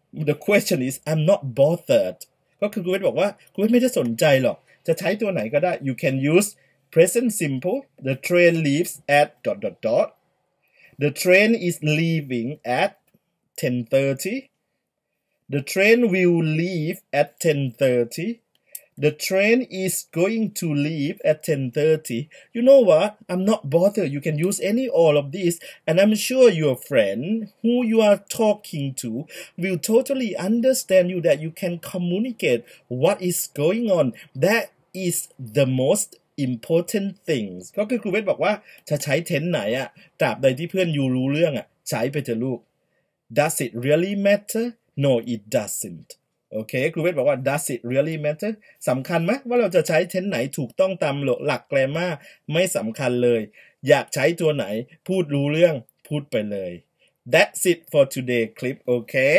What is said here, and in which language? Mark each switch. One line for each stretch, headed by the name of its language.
English: the question is I'm not bothered
Thai: ก็คือกูเวทบอกว่ากูเวทไม่ได้สนใจหรอกจะใช้ตัวไหนก็ได้
English: you can use present simple the train leaves at dot dot dot the train is leaving at 10:30 the train will leave at 10:30The train is going to leave at 10:30. You know what? I'm not bothered. You can use any all of this. And I'm sure your friend who you are talking to will totally understand you that you can communicate what is going on. That is the most important thing.
Thai: ก็คือครูเวทบอกว่าจะใช้เทนไหนอะตราบใดที่เพื่อนอยู่รู้เรื่องอะใช้ไปเถอะลูก
English: Does it really matter? No, it doesn't.
Thai: โอเคครูเวทบอกว่า
English: does it really matter
Thai: สำคัญไหมว่าเราจะใช้เทนไหนถูกต้องตามหลักแกรมมาไม่สำคัญเลยอยากใช้ตัวไหนพูดรู้เรื่องพูดไปเลย
English: that's it for today clip
Thai: โอเค